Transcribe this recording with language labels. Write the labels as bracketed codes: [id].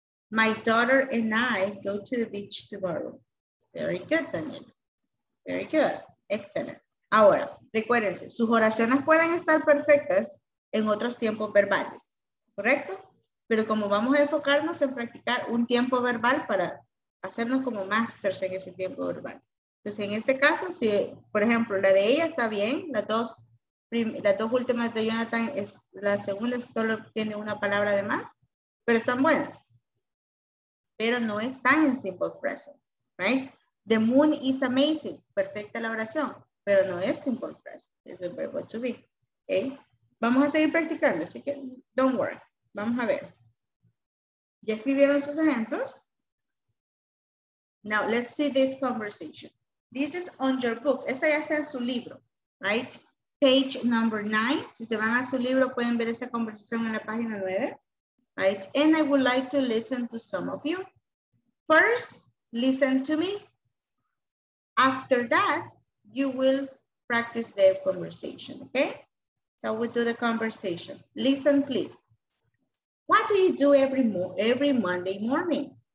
[en] My daughter and I go to the beach tomorrow. Very good, Daniel. Very good. Excellent. [es] Ahora, recuérdense, sus oraciones pueden estar perfectas en otros tiempos verbales. ¿Correcto? Pero como vamos a enfocarnos en practicar un tiempo verbal para hacernos como masters en ese tiempo verbal. Entonces, en este caso, si, por ejemplo, la de ella está bien, las dos últimas de Jonathan, es la segunda solo tiene una palabra de más, pero están buenas. Pero no están en simple present, right? [en] The moon is amazing, [es] perfecta la oración, pero no es simple present, es el verbo to be, okay? Vamos a seguir practicando, así que [en] don't worry, [es] vamos a ver. ¿Ya escribieron sus ejemplos? [en] Now, let's see this conversation. This is on your book. [es] Esta ya está en su libro, right? [en] Page number 9. [es] Si se van a su libro, pueden ver esta conversación en la página 9. [en] Right? And I would like to listen to some of you. First, listen to me. After that, you will practice the conversation, okay? So we do the conversation. Listen, please. What do you do every Monday morning?